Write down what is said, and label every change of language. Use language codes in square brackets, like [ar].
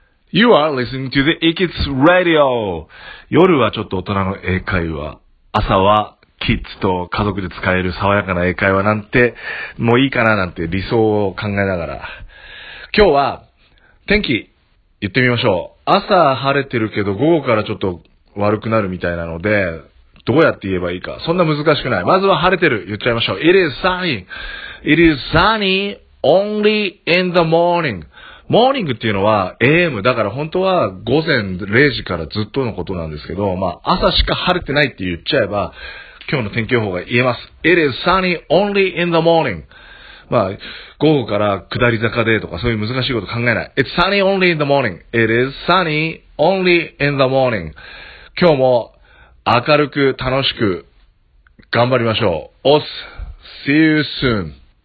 [en] You are listening to the Ikits Radio. [ja] 夜はちょっと大人の英会話、朝はキッズと家族で使える爽やかな英会話なんてもういいかななんて理想を考えながら、今日は天気言ってみましょう。朝晴れてるけど午後からちょっと悪くなるみたいなので、どうやって言えばいいか、そんな難しくない。まずは晴れてる言っちゃいましょう。 [en] It is sunny. It is sunny only in the morning. [ja] モーニングっていうのは AM だから、本当は午前0時からずっとのことなんですけど、まあ朝しか晴れてないって言っちゃえば今日の天気予報が言えます。 [en] It is sunny only in the morning. [ja] まあ午後から下り坂でとか、そういう難しいこと考えない。 [en] It's sunny only in the morning. It is sunny only in the morning. [ja] 今日も明るく楽しく頑張りましょう。 [en] See you soon.